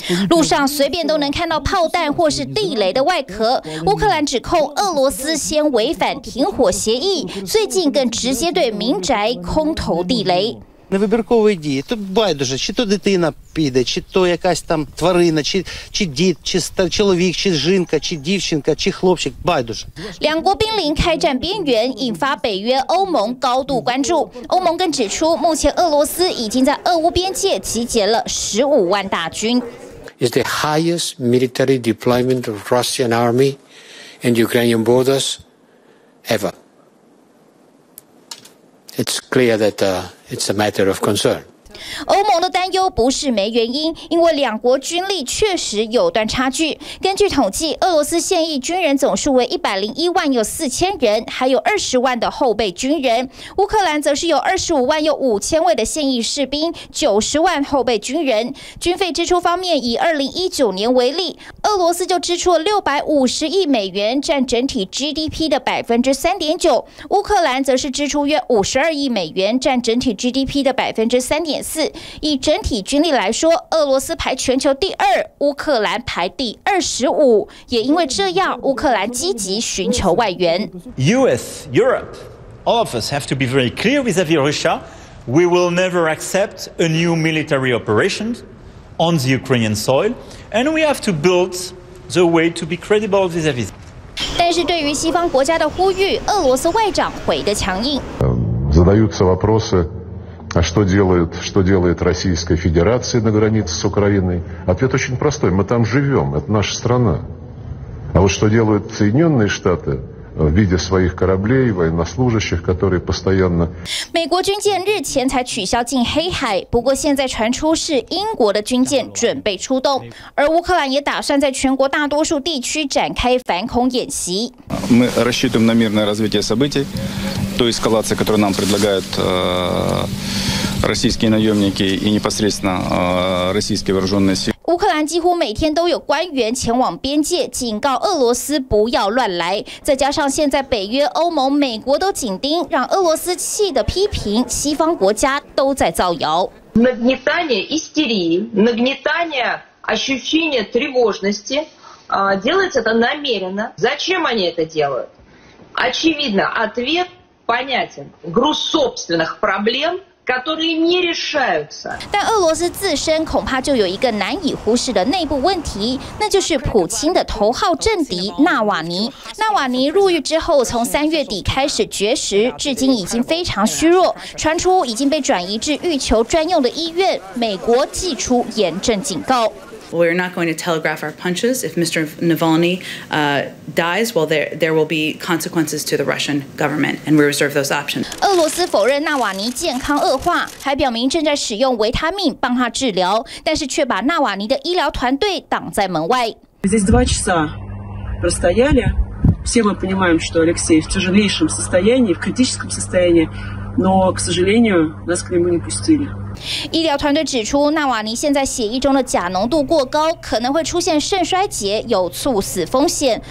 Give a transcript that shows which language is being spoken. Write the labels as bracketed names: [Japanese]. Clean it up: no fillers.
[Chinese] 路上随便都能看到炮弹或是地雷的外壳。乌克兰指控俄罗斯先违反停火协议，最近更直接对民宅空投地雷。 [Ukrainian] Не вибірковий дії, тут байдуже, чи то дитина піде, чи то якась там тварина, чи дід, чи чоловік, чи жінка, чи дівчинка, чи хлопчик, байдуже. [Chinese] 两国濒临开战边缘，引发北约欧盟高度关注。欧盟更指出，目前俄罗斯已经在俄乌边界集结了15万大军。 [English] Is the highest military deployment of Russian army and Ukrainian borders ever. It's clear that It's a matter of concern. [Chinese] 欧盟的担忧不是没原因，因为两国军力确实有段差距。根据统计，俄罗斯现役军人总数为101万4000人，还有20万的后备军人；乌克兰则是有25万5000位的现役士兵，90万后备军人。军费支出方面，以2019年为例，俄罗斯就支出了650亿美元，占整体 GDP 的3.9%；乌克兰则是支出约52亿美元，占整体 GDP 的3.4%。以整体军力来说，俄罗斯排全球第二，乌克兰排第25。也因为这样，乌克兰积极寻求外援。 [English] US, Europe, all of us have to be very clear vis-à-vis Russia. We will never accept a new military operation on the Ukrainian soil, and we have to build the way to be credible vis-à-vis. [Chinese] 但是，对于西方国家的呼吁，俄罗斯外长回得强硬。 [Russian] Задаются вопросы. А что делает Российская Федерация на границе с Украиной? Ответ очень простой. Мы там живем, это наша страна. А вот что делают Соединенные Штаты, виде своих кораблей, военнослужащих, которые постоянно. [Chinese] 美国军舰日前才取消进黑海，不过现在传出是英国的军舰准备出动，而乌克兰也打算在全国大多数地区展开反恐演习。 [Russian] Мы рассчитываем на мирное развитие событий, то эскалация, которую нам предлагают российские наемники и непосредственно российские вооруженные силы. [Chinese] 乌克兰几乎每天都有官员前往边界警告俄罗斯不要乱来，再加上现在北约、欧盟、美国都紧盯，让俄罗斯气得批评西方国家都在造谣。 [Russian] Нагнетание истерии, нагнетание ощущения тревожности, делается это намеренно. Зачем они это делают? Очевидно, ответ понятен. Груз собственных проблем. [Chinese] 但俄罗斯自身恐怕就有一个难以忽视的内部问题，那就是普京的头号政敌纳瓦尼。纳瓦尼入狱之后，从三月底开始绝食，至今已经非常虚弱，传出已经被转移至狱囚专用的医院，美国寄出严正警告。 [English] We're not going to telegraph our punches. If Mr. Navalny dies, well, there will be consequences to the Russian government, and we reserve those options. [Chinese] 俄罗斯否认纳瓦尼健康恶化，还表明正在使用维他命帮他治疗，但是却把纳瓦尼的医疗团队挡在门外。 [Russian] Здесь два часа простояли. Все мы понимаем, что Алексей в тяжелейшем состоянии, в критическом состоянии, но, к сожалению, нас к нему не пустили. [Chinese] 医疗团队指出，纳瓦尼现在血液中的钾浓度过高，可能会出现肾衰竭，有猝死风险。